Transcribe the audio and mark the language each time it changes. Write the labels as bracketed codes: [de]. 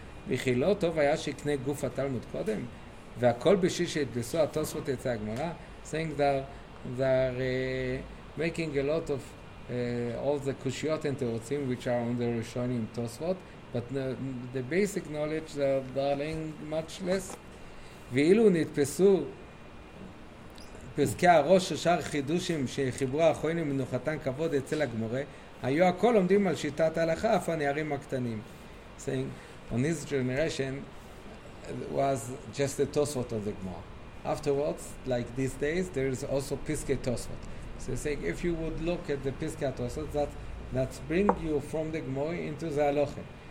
[he] וכי לא טוב היה שיקנה גוף התלמוד קודם, והכל בשביל שהתבסו התוספות יצא הגמרא, [en] saying that making a lot of all the קושיות and תירוצים which are on the ראשונים תוספות, but the basic knowledge that are learning much less. [he] ואילו נתפסו פסקי הראש ושאר חידושים שחיברו האחרונים מנוחתן כבוד אצל הגמרא, היו הכל עומדים על שיטת ההלכה אף הנערים הקטנים. [en] saying on his generation was just the Tosfot of the Gemara. Afterwards, like these days, there is also Piskei Tosfot. So he's saying, if you would look at the Piskei Tosfot, that bring you from the Gemara into the Halacha.